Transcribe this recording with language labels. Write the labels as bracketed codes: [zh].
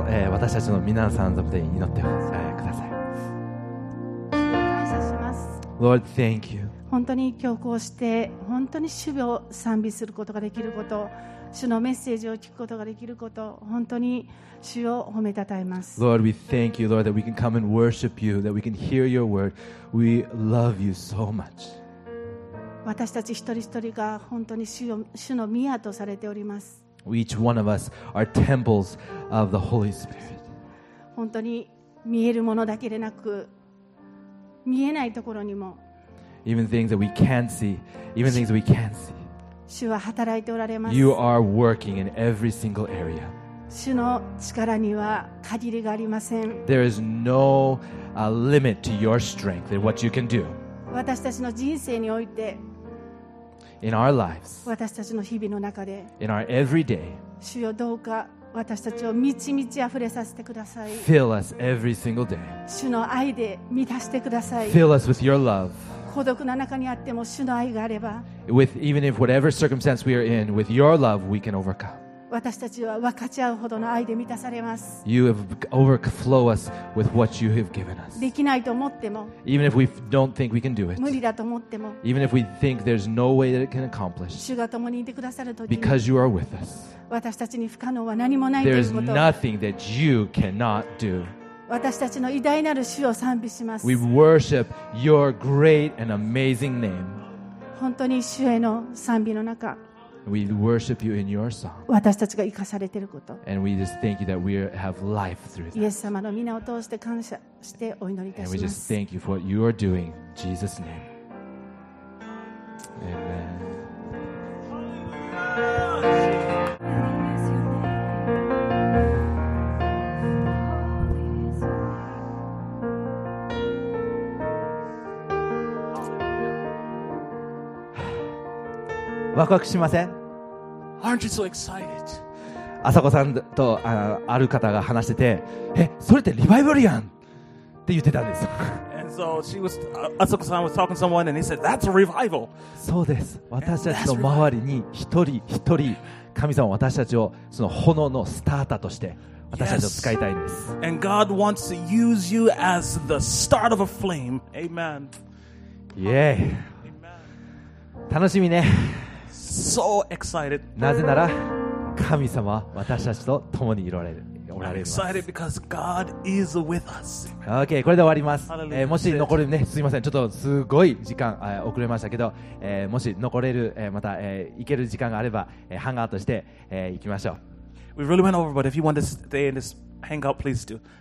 [ja] 私たちの皆さんのために祈ってください。感謝します。 [en] Lord, thank you. [ja] 本当に今日こうして本当に主を賛美することができること、主のメッセージを聞くことができること、本当に主を褒めたたえます。 [en] Lord, we thank you, Lord, that we can come and worship you, that we can hear your word. We love you so much. [ja] 私たち一人一人が本当に主の宮とされております。 [en] Each one of us are temples of the Holy Spirit. [ja] 本当に見えるものだけでなく、見えないところにも。 [en] Even things that we can't see, even things we can't see. [ja] 主は働いておられます。 [en] You are working in every single area. [ja] 主の力には限りがありません。 [en] There is no limit to your strength and what you can do. [ja] 私たちの人生において。 [en] In our lives, [ja] 私たちの日々の中で、 [en] in our everyday, [ja] 主よどうか私たちを満ち満ち溢れさせてください。 [en] Fill us every single day. [ja] 主の愛で満たしてください。 [en] Fill us with your love. [ja] 孤独な中にあっても主の愛があれば、 [en] with even if whatever circumstance we are in, with your love we can overcome. [ja] 私たちは分かち合うほどの愛で満たされます。 [en] You have overflow us with what you have given us. [ja] できないと思っても、 [en] even if we don't think we can do it, [ja] 無理だと思っても、 [en] even if we think there's no way that it can accomplish, [ja] 主が共にいてくださる時に、 [en] because you are with us, [ja] 私たちに不可能は何もないということ、 [en] there is nothing that you cannot do. [ja] 私たちの偉大なる主を賛美します。 [en] We worship your great and amazing name. [ja] 本当に主への賛美の中、 [en] we worship you in your song. [ja] 私たちが生かされていること、 [en] and we just thank you that we have life through that. [ja] イエス様の皆を通して感謝してお祈りいたします。 [en] And we just thank you for what you are doing, in Jesus' name. Amen. [ja] ワクワクしません? [en] Aren't you so excited? [ja] 朝子さんと ある方が話してて、え、それってリバイバルやんって言ってたんです。 [en] And so she was, Asako-san was talking to someone, and he said, "That's a revival." [ja] そうです。私たちの周りに一人一人、神様は私たちをその炎のスターターとして私たちを使いたいんです。 [en] And God wants to use you as the start of a flame. Amen. Yay. Amen. [ja] 楽しみね。 [en] So excited. [ja] なぜなら神様は私たちと共にいられる。 [en] I'm excited because God is with us. [ja] Okay, これで終わります。もし残るね、すみません、ちょっとすごい時間遅れましたけど、もし残れる、また、行ける時間があれば、ハンガーとして、行きましょう。 [en] We really went over, but if you want to stay in this hangout, please do.